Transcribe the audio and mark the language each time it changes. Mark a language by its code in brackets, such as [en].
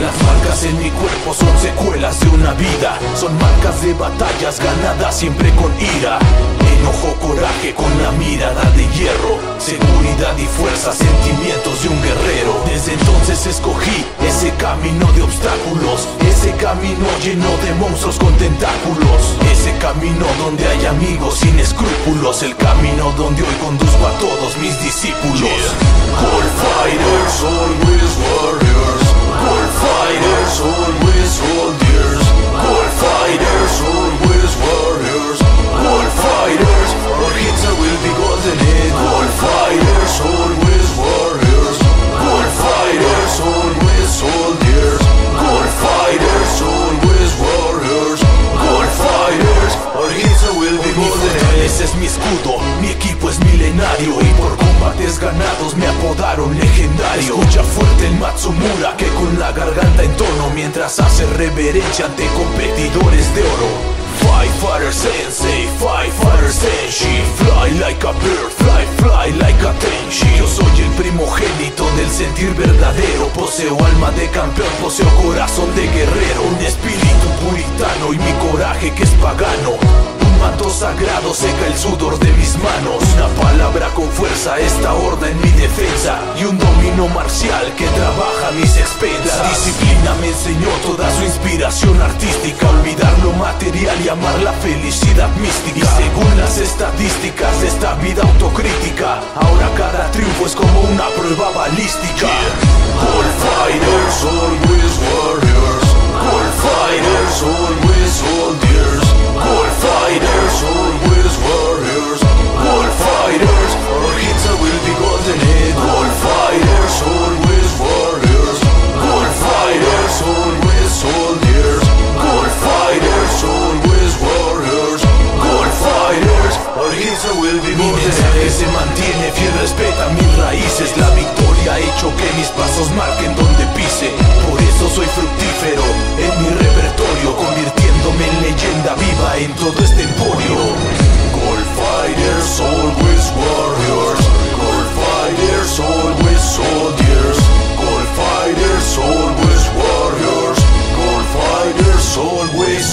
[es] Las marcas en mi cuerpo son secuelas de una vida. Son marcas de batallas ganadas siempre con ira, enojo, coraje con la mirada de hierro, seguridad y fuerza, sentimientos de un guerrero. Desde entonces escogí ese camino de obstáculos, ese camino lleno de monstruos con tentáculos, ese camino donde hay amigos sin escrúpulos, el camino donde hoy conduzco a todos mis discípulos. Yeah. [en] Gold fighters, always warriors. Gold fighters, always soldiers. Gold fighters, always warriors. Gold fighters, our hits will be golden. Gold fighters, always warriors. Gold fighters, always soldiers. Gold fighters, always warriors. Gold fighters, our hits will be golden. [es] Mi fortaleza es mi escudo, mi equipo es milenario y por combates ganados me apodaron legendario. Escucha fuerte el Matsumura que con la garganta entono mientras hace reverencia ante competidores de oro. [en] Fight Fighter Sensei, Fight Fighter Senshi. Fly like a bird, fly, fly like a Tenshi. [es] Yo soy el primogénito del sentir verdadero. Poseo alma de campeón, poseo corazón de guerrero. Un espíritu puritano y mi coraje que es pagano. Manto sagrado seca el sudor de mis manos. Una palabra con fuerza, esta orden mi defensa. Y un dominio marcial que trabaja a mis expensas. La disciplina me enseñó toda su inspiración artística. Olvidar lo material y amar la felicidad mística. Y según las estadísticas de esta vida autocrítica, ahora cada triunfo es como una prueba balística. Yeah. [en] Gold fighters, always warriors. Gold fighters, always soldiers. Gold fighters, always warriors. Gold fighters, our hits will be golden. Gold fighters, always warriors. Gold fighters, always soldiers. Gold fighters, always warriors. Gold fighters, our hits will be golden. [es] Mi mensaje se mantiene fiel, respeta mis raíces. La victoria ha hecho que mis pasos marquen donde pise. Por eso soy fructífero en mi repertorio, convirtiéndome en leyenda viva en todo este emporio. [en] Gold fighters, always warriors. Gold fighters, always soldiers. Gold fighters, always warriors. Gold fighters, always